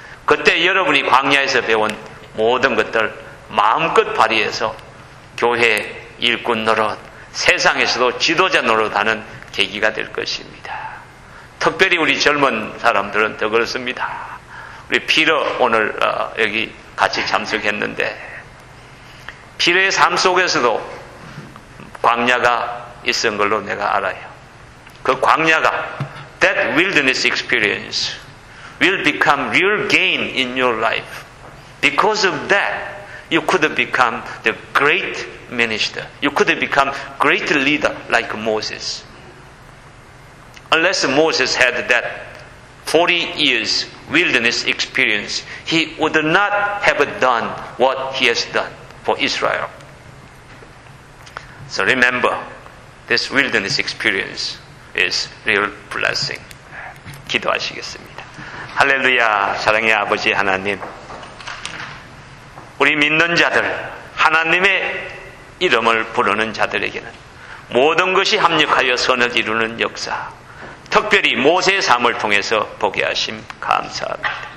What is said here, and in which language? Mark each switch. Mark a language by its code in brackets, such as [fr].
[ko] 그때 여러분이 광야에서 배운 모든 것들 마음껏 발휘해서 교회 일꾼 노릇, 세상에서도 지도자 노릇하는 계기가 될 것입니다. 특별히 우리 젊은 사람들은 더 그렇습니다. 우리 피러 오늘 여기 같이 참석했는데 피러의 삶 속에서도 광야가 있었던 걸로 내가 알아요. 그 광야가 [en] that wilderness experience will become real gain in your life. Because of that, you could become the great minister. You could become great leader like Moses. Unless Moses had that 40 years wilderness experience, he would not have done what he has done for Israel. So remember, this wilderness experience is real blessing. [ko] 기도하시겠습니다. 할렐루야, 사랑의 아버지 하나님. 우리 믿는 자들, 하나님의 이름을 부르는 자들에게는 모든 것이 합력하여 선을 이루는 역사, 특별히 모세의 삶을 통해서 보게 하심 감사합니다.